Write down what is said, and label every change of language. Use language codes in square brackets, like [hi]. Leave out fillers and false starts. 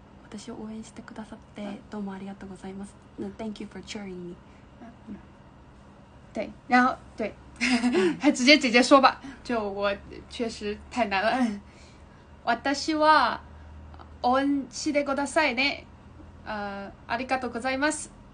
[ja] 私を応援してくださってどうもありがとうございます。 [en] Thank you for cheering me。 [zh] 对，然后对，还直接姐姐说吧，就我确实太难了。 [ja] 私は応援してくださいね。ありがとうございます。